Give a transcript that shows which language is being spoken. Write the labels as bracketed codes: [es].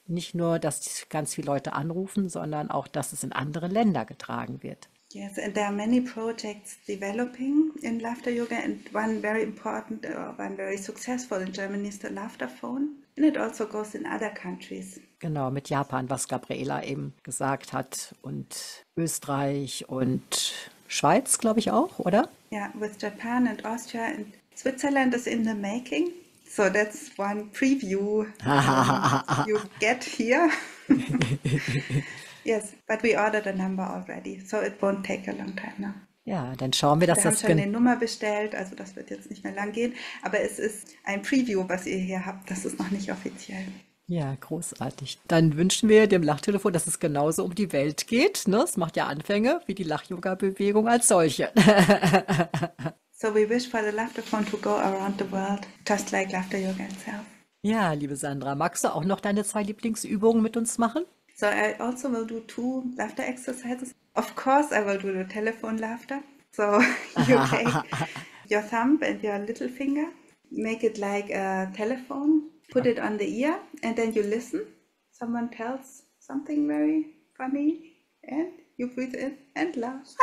[de] Nicht nur, dass ganz viele Leute anrufen, sondern auch, dass es in andere Länder getragen wird. [en] Yes, and there are many projects developing in laughter yoga, and one very important or one very successful in Germany is the laughter phone, and it also goes in other countries. [de] Genau, mit Japan, was Gabriela eben gesagt hat, und Österreich und Schweiz, glaube ich auch, oder? [en] Yeah, with Japan and Austria, and Switzerland is in the making, so that's one preview you get here. Yes, but we ordered a number already, so it won't take a long time now. [de] Ja, dann schauen wir, dass wir haben schon eine Nummer bestellt, also das wird jetzt nicht mehr lang gehen, aber es ist ein Preview, was ihr hier habt, das ist noch nicht offiziell. Ja, großartig. Dann wünschen wir dem Lachtelefon, dass es genauso um die Welt geht, ne? Es macht ja Anfänge wie die Lach-Yoga-Bewegung als solche. [en] So we wish for the Lachtelefon to go around the world, just like Laughter Yoga itself. [de] Ja, liebe Sandra, magst du auch noch deine zwei Lieblingsübungen mit uns machen? [en] So I also will do two laughter exercises. Of course I will do the telephone laughter. So you take your thumb and your little finger, make it like a telephone, put it on the ear and then you listen. Someone tells something very funny and you breathe in and laugh.